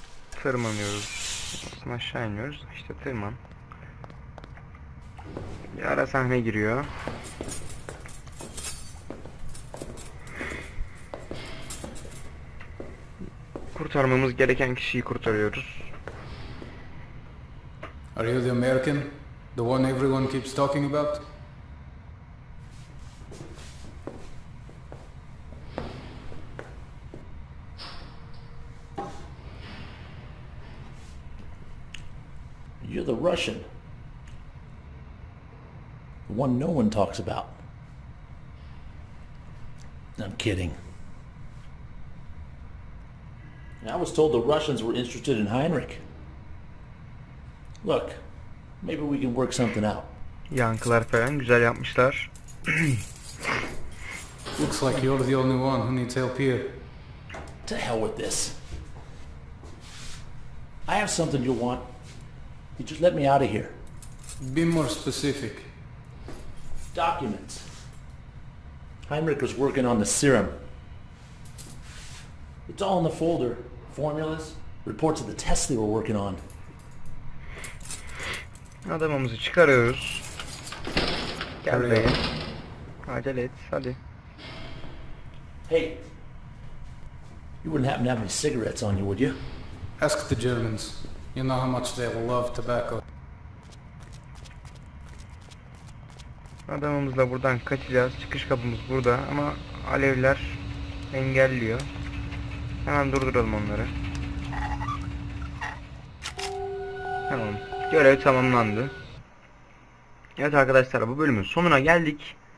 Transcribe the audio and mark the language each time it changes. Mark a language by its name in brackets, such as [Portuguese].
[Turkish] Tırmanıyoruz. Aslında aşağı iniyoruz. İşte tırman. Bir ara sahne giriyor. Kurtarmamız gereken kişiyi kurtarıyoruz. [English] Are you the American? The one everyone keeps talking about? You're the Russian. The one no one talks about. I'm kidding. I was told the Russians were interested in Heinrich. Look, maybe we can work something out. [Turkish] Yankılar falan güzel yapmışlar. [English] Looks like you're the only one who needs help here. To hell with this. I have something you want. You just let me out of here. Be more specific. Documents. Heinrich was working on the serum. It's all in the folder. Formulas, reports of the tests they were working on. [Turkish] Adamımızı çıkarıyoruz. Gel be. Acele et, hadi. [English] Hey. You wouldn't happen to have any cigarettes on you, would you? Ask the Germans. You know how much they love tobacco. [Turkish] Adamımızla buradan kaçacağız. Çıkış kapımız burada ama alevler engelliyor. Hemen durduralım onları. Tamam. Görev tamamlandı. Evet arkadaşlar, bu bölümün sonuna geldik.